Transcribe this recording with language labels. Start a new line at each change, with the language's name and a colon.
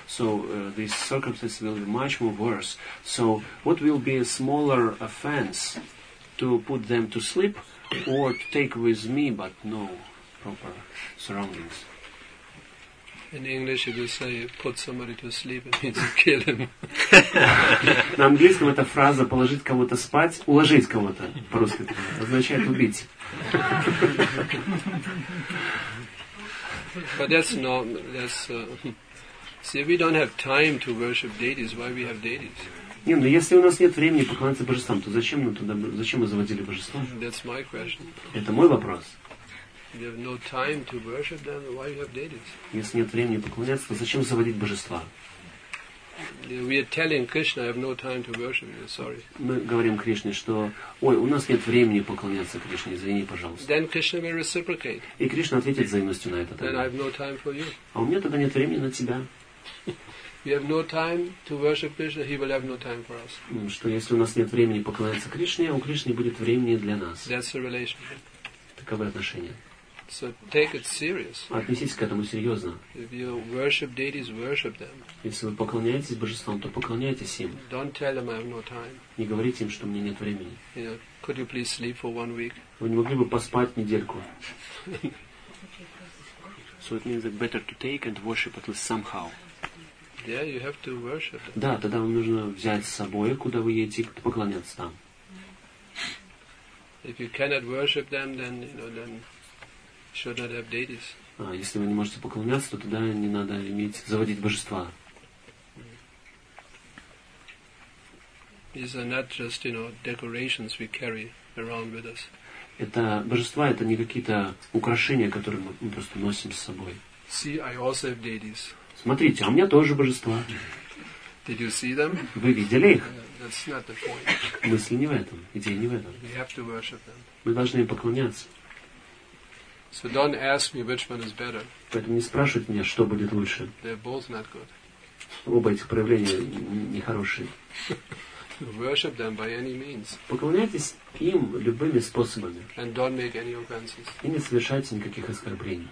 English: So this circumstance will be much more worse. So what will be a smaller offense, to put them to sleep or to take with me but no proper surroundings? In English, it will say, put somebody to sleep and it's to kill him.
Russian: На английском эта фраза «положить кого-то спать», «уложить кого-то» по-русски означает «убить».
English: But that's not, that's, see, we don't have time to worship deities, why we have deities?
Russian: Не, но если у нас нет времени поклоняться божествам, то зачем мы туда, зачем мы заводили божества?
English: That's my question.
Russian: Это мой вопрос.
English: We have no time to worship them. Why you have deities?
Russian: Если нет времени поклоняться, то зачем заводить божества?
English: We are telling Krishna, I have no time to worship you. Sorry.
Russian: Мы говорим Кришне, что, ой, у нас нет времени поклоняться Кришне. Извини, пожалуйста.
English: Then Krishna will reciprocate.
Russian: И Кришна ответит взаимностью на это. Тогда.
English: Then I have no time for you.
Russian: А у меня тогда нет времени на тебя.
English: We have no time to worship Krishna. He will have no time for us.
Russian: Что если у нас нет времени поклоняться Кришне, у Кришны будет времени для нас.
English: That's the relationship.
Russian: Таковы отношения.
English: So take it serious.
Russian: Отнеситесь к этому серьезно.
English: If you worship deities, worship them.
Russian: Если вы поклоняетесь божествам, то поклоняйтесь им.
English: Don't tell them I have no time.
Russian: Не говорите им, что у меня нет времени.
English: You know, could you please sleep for one week?
Russian: Вы не могли бы поспать недельку?
English: So it means that better to take and worship at least somehow. Yeah, you have to worship them.
Russian: Да, тогда вам нужно взять с собой, куда вы едете, поклоняться там.
English: If you cannot worship them, then you know then. Should not have deities.
Russian: А если вы не можете поклоняться, то тогда не надо иметь заводить божества.
English: These are not just, you know, decorations we carry around with us.
Russian: Это божества, это не какие-то украшения, которые мы просто носим с собой.
English: See, I also have deities.
Russian: Смотрите, а у меня тоже божества.
English: Did you see them?
Russian: Вы видели их?
English: That's not the point.
Russian: Мысль не в этом, идея не в этом.
English: We have to worship them.
Russian: Мы должны им поклоняться.
English: So don't ask me which one is better.
Russian: Поэтому не спрашивайте меня, что будет лучше.
English: They're both not good.
Russian: Оба этих проявления нехорошие.
English: Worship them by any means.
Russian: Поклоняйтесь им любыми способами.
English: And don't make any offenses.
Russian: И не совершайте никаких оскорблений.